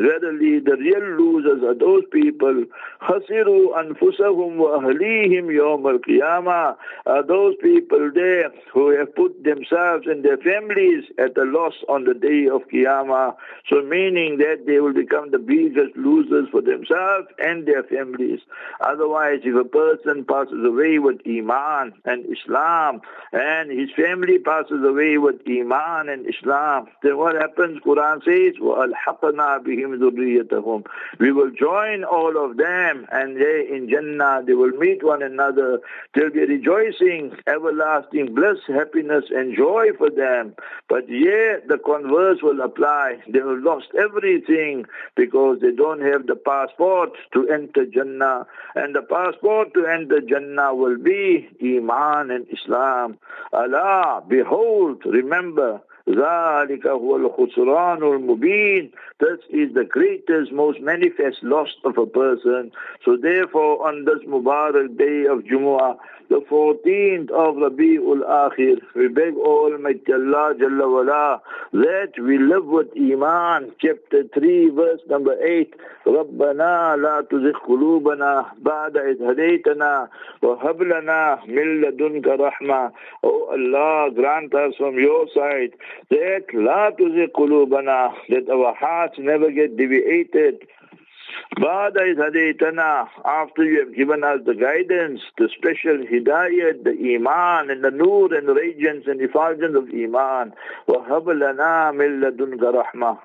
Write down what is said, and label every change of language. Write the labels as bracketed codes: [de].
[en] Verily, the real losers are those people, [ar] خَسِرُوا أَنفُسَهُمْ وَأَهْلِيهِمْ يَوْمَ الْقِيَامَةِ, [en] are those people there who have put themselves and their families at a loss on the day of Qiyamah. So meaning that they will become the biggest losers for themselves and their families. Otherwise, if a person passes away with iman and Islam, and his family passes away with Iman and Islam, then what happens? Quran says, [ar] وَأَلْحَقْنَا بِهِمْ ذُرِّيَّتَهُمْ. [en] We will join all of them, and they in Jannah, they will meet one another. There will be rejoicing, everlasting bliss, happiness, and joy for them. But yet, the converse will apply. They have lost everything because they don't have the passport to enter Jannah. And the passport to enter Jannah will be Iman and Islam. Allah, behold, remember, [ar] ذَلِكَ هُوَ الْخُسْرَانُ الْمُبِينَ. [en] This is the greatest, most manifest loss of a person. So therefore, on this Mubarak day of Jumu'ah, the 14th of Rabi'ul Akhir, we beg Almighty Allah Jalla Wala that we live with Iman. Chapter 3, verse number 8, [ar] رَبَّنَا لَا تُزِخْ قُلُوبَنَا بَعْدَ إِذْ هَدَيْتَنَا وَهَبْ لَنَا مِنْ لَدُنْكَ رَحْمَةً. [en] O Allah, grant us from your side that [ar] لَا تُزِخْ قُلُوبَنَا, [en] that our hearts never get deviated [ar] بعد إذ هديتنا [en] after you have given us the guidance, the special hidayat, the iman and the nur and radiance and effulgence of iman, [ar] وَهَبْ لَنَا مِنْ لَدُنْكَ رَحْمَةً.